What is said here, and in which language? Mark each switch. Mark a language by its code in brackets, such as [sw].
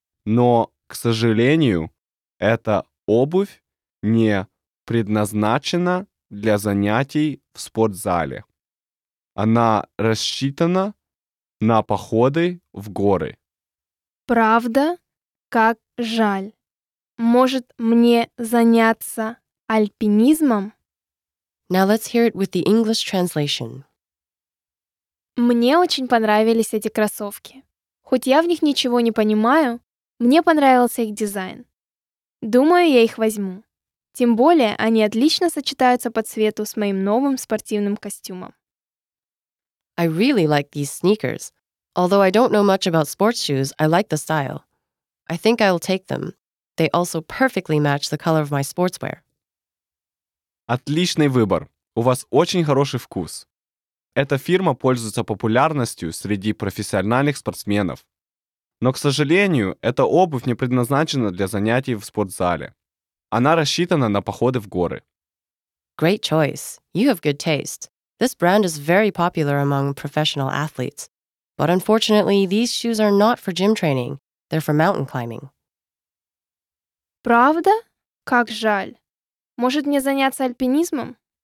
[ru] Но, к сожалению, эта обувь не предназначена для занятий в спортзале. Она рассчитана на походы в горы. Правда? Как жаль. Может, мне заняться альпинизмом? [en] Now let's hear it with the English translation. [ru] Мне очень понравились эти кроссовки. Хоть я в них ничего не понимаю, мне понравился их дизайн. Думаю, я их возьму. Тем более, они отлично сочетаются по цвету с моим новым спортивным костюмом. [en] I really like these sneakers. Although I don't know much about sports shoes, I like the style. I think I'll take them. They also perfectly match the color of my sportswear. [ru] Отличный выбор. У вас очень хороший вкус. Эта фирма пользуется популярностью среди профессиональных спортсменов. Но, к сожалению, эта обувь не предназначена для занятий в спортзале. Она рассчитана на походы в горы. [en] Great choice. You have good taste. This brand is very popular among professional athletes. But unfortunately, these shoes are not for gym training. They're for mountain climbing. [ru] Правда? Как жаль. Может мне заняться альпинизмом?